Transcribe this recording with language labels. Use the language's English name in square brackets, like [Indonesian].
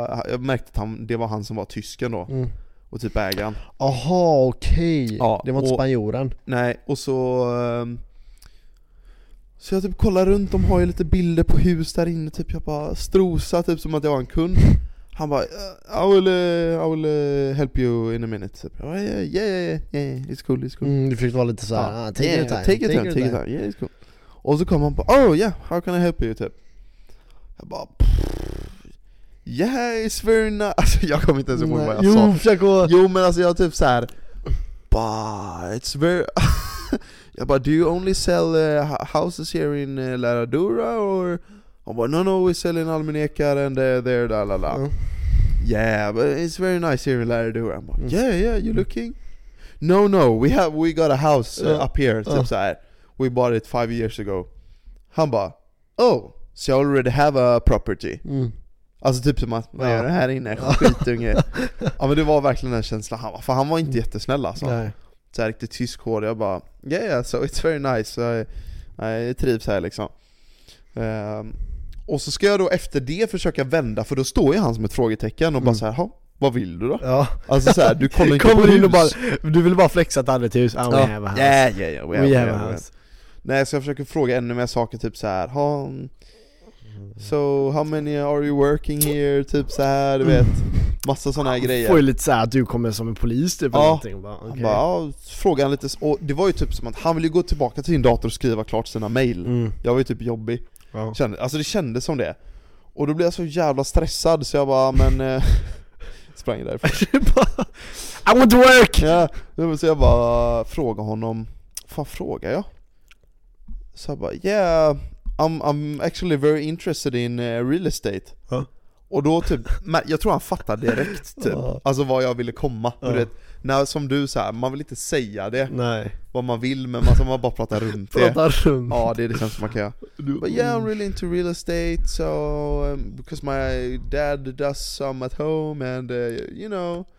[Swedish] Jag märkte att det var han som var tysken då. Mm. Och typ ägaren. Aha, okej. Okay. Ja, det var inte spanjoren. Nej, och så... Så jag typ kollar runt, de har ju lite bilder på hus där inne, typ jag bara strosa typ som att jag var en kund. Han bara, [English] I will help you in a minute. [Swedish] Typ. [English] Yeah, yeah, yeah, it's cool. [Swedish] Mm, du fick vara lite så här, [English] take your time. Yeah, it's cool. [Swedish] Och så kom han på, [English] oh yeah, how can I help you? [Swedish] Typ. Jag bara, [English] yeah, it's very nice. [Swedish] Alltså, jag kommer inte ens ihåg vad jag sa. Jo, men alltså jag typ så här, bah, [English] it's very... [Swedish] Jag bara, [English] do you only sell houses here in Laradura? Or... [Swedish] Han bara, [English] no, we sell in Almenekar and there, da, la, la. Yeah, but it's very nice here in Laradura. [Swedish] Han bara, [English] yeah, you looking? No, we got a house up here. [Swedish] Typ så här. [English] We bought it 5 years ago. Han bara, oh, so you already have a property? Mm. [Swedish] Alltså typ som att, vad gör det här inne? Skitunge. Ja, men det var verkligen en känsla. Han bara, för han var inte jättesnäll alltså. Nej. Så riktigt tysk hård. Jag bara, [English] yeah, so it's very nice. [Swedish] Jag trivs här liksom. Och så ska jag då efter det försöka vända. För då står ju han som ett frågetecken. Och bara så här, vad vill du då? Ja. Alltså så här, du kommer inte kommer på in och bara, du vill bara flexa till annat hus. Ja, [English] we have a house. [Swedish] Nej, så jag försöker fråga ännu mer saker. Typ så här, [English] so how many are you working here? [Swedish] Typ så här, du vet. Massa sådana här grejer. Får ju lite så här att du kommer som en polis typ. Ja, frågade han lite. Och det var ju typ som att han ville gå tillbaka till sin dator och skriva klart sina mejl. Mm. Jag var ju typ jobbig. [English] Wow. [Swedish] Alltså det kändes som det. Och då blev jag så jävla stressad så jag bara, men... sprang därifrån. [English] I want to work! [Swedish] Ja, så jag bara frågade honom. Fan, frågar jag? Så jag bara, yeah... [English] I'm actually very interested in real estate. Huh? [Swedish] Och då typ, jag tror han fattar direkt typ, alltså vad jag ville komma. Du vet, när, som du så här, man vill inte säga det. Nej. Vad man vill, men man ska bara prata runt det. Prata runt. Ja, det känns som man kan göra. [English] But yeah, I'm really into real estate, so because my dad does some at home and you know.